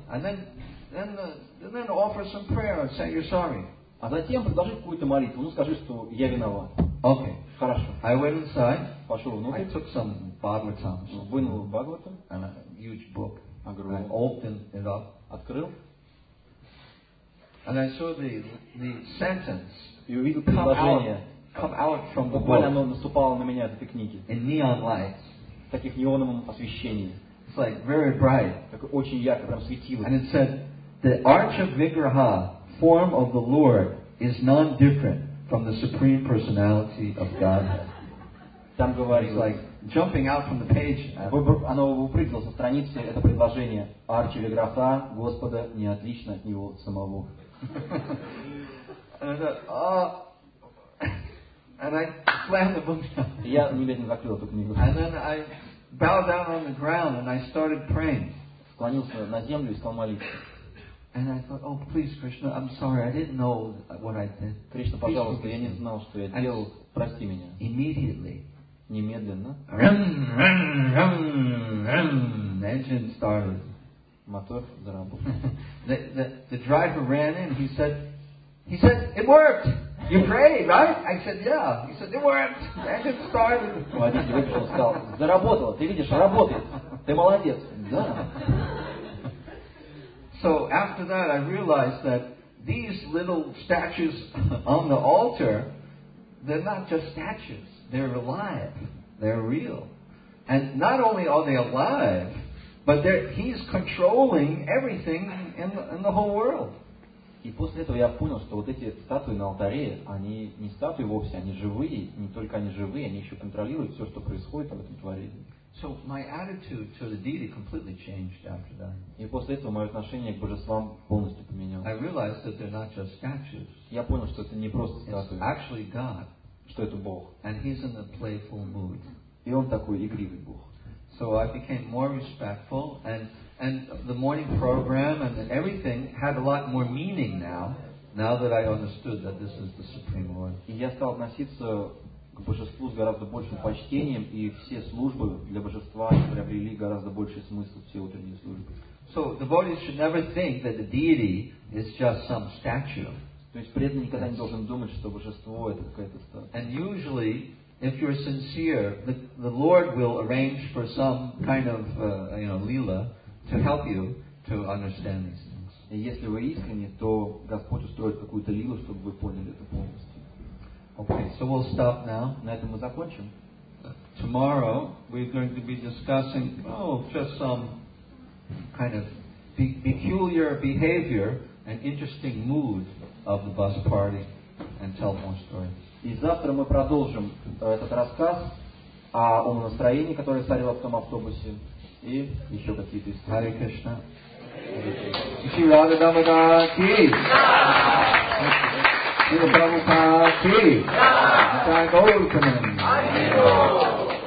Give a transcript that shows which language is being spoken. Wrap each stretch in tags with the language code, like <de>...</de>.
<en>And then offer some prayer and say you're sorry.</en> <ru>А затем предложи какую-то молитву. Ну скажи, что я виноват.</ru> <en>Okay.</en> <ru>Хорошо.</ru> <en>I went inside.</en> <ru>Пошел внутрь.</ru> <en>I took some Bhagavatam.</en> <ru>Вынул Бхагаватам.</ru> <en>And a huge book.</en> <ru>Огромный.</ru> <en>I opened it up.</en> <ru>Открыл.</ru> <en>And I saw the sentence.</en> <ru>И увидел предложение.</ru> <en>Come out from the book.</en> <ru>Буквально оно наступало на меня от этой книги.</ru> <en>In neon lights.</en> <ru>Таких неоновом освещении.</ru> <en>It's like very bright.</en> <ru>Такое очень ярко, прям светило.</ru> <en>And it said, the arch of Vigraha, form of the Lord, is non different from the supreme personality of Godhead.</en> <ru>Там говорилось.</ru> <en>It's like jumping out from the page.</en> <ru>Оно выпрыгнуло со страницы, это предложение. Арчи Виграха Господа не отлично от него самого.</ru> <en>And I thought, And I slammed the book down.</en> <ru>Я немедленно закрыл эту книгу.</ru> <en>And then I bowed down on the ground and I started praying.</en> <ru>Склонился на землю и стал молиться.</ru> <en>And I thought, oh please, Krishna, I'm sorry, I didn't know what I did.</en> <ru>Кришна, пожалуйста, я не знал, что я делал. Прости меня.</ru> <en>Immediately.</en> <ru>Немедленно.</ru> <en>Rum, rum, rum, rum. The engine started.</en> <ru>Мотор заработал.</ru> <en>The driver ran in. He said, it worked. You prayed, right? I said, yeah. He said, it worked. And it started.</en> <ru>Водитель вышел и сказал, заработало. Ты видишь, работает. Ты молодец. Да.</ru> <en>So after that, I realized that these little statues on the altar, they're not just statues. They're alive. They're real. And not only are they alive, but he's controlling everything in the whole world.</en> <ru>И после этого я понял, что вот эти статуи на алтаре, они не статуи вовсе, они живые, не только они живые, они еще контролируют все, что происходит в этом творении.</ru> <en>So my attitude to the deity completely changed after that.</en> <ru>И после этого мое отношение к божествам полностью поменялось.</ru> <en>I realized that they're not just statues.</en> <ru>Я понял, что это не просто статуи.</ru> <en>It's actually God.</en> <ru>Что это Бог.</ru> <en>And he's in a playful mood.</en> <ru>И он такой игривый Бог.</ru> <en>So I became more respectful and the morning program and everything had a lot more meaning now that I understood that this is the Supreme Lord.</en> <ru>И я стал относиться к Божеству с гораздо большим почтением, и все службы для Божества приобрели гораздо больший смысл, все утренние службы.</ru> <en>So devotees should never think that the deity is just some statue.</en> <ru>То есть преданный никогда не должен думать, что Божество это какая-то статуя.</ru> <en>And usually, if you're sincere, the Lord will arrange for some kind of lila to help you to understand these things.</en> <ru>И если вы искренне, то Господь устроит какую-то лилу, чтобы вы поняли это полностью.</ru> <en>Okay, so we'll stop now.</en> <ru>На этом мы закончим.</ru> <en>Tomorrow we're going to be discussing just some kind of peculiar behavior and interesting mood of the bus party and tell more stories.</en> <ru>И завтра мы продолжим этот рассказ о настроении, которое царило в том автобусе, и еще какие-то истории.</ru> <en>Hare Krishna. Shri Radha Damodara Ki. Shri Prabhupada Ki. Thank you.</en>